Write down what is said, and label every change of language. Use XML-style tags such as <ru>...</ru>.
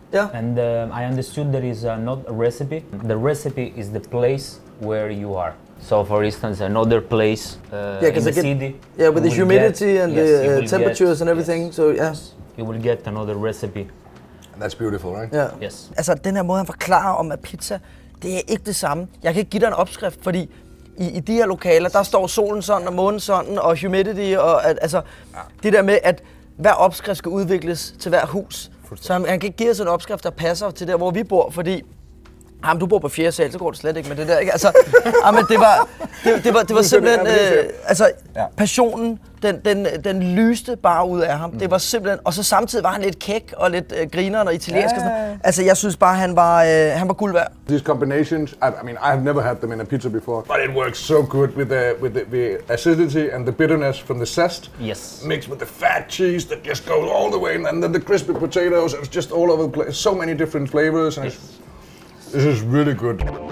<en>Yeah. And I understood there is not a recipe. The recipe is the place where you are. So for instance, another place in the city. Yeah, with the humidity and the temperatures and everything. Yes. So yes. You will get another recipe. That's beautiful, right? Yeah. Yes.</en> <da>Altså den her måde han forklarer om at pizza, det er ikke det samme. Jeg kan ikke give dig en opskrift, fordi i de her lokaler, der står solen sådan og månen sådan og humidity og altså ja. Det der med at hver opskrift skal udvikles til hver hus. Så han kan ikke give os en opskrift der passer til der hvor vi bor, fordi ham du bor på 4. sal, så går det slet ikke med det der, ikke? Altså jamen, det var simpelthen altså passionen. Den lyste bare ud af ham. Mm. Det var simpelthen, og så samtidig var han lidt kæk og lidt grineren og italiensk og sådan. Altså jeg synes bare han var guld værd.</da> <en>These combinations, I mean I have never had them in a pizza before, but it works so good with the acidity and the bitterness from the zest. Yes. Mixed with the fat cheese that just goes all the way, and then the crispy potatoes. It was just all over the place. So many different flavors. And this is really good.</en>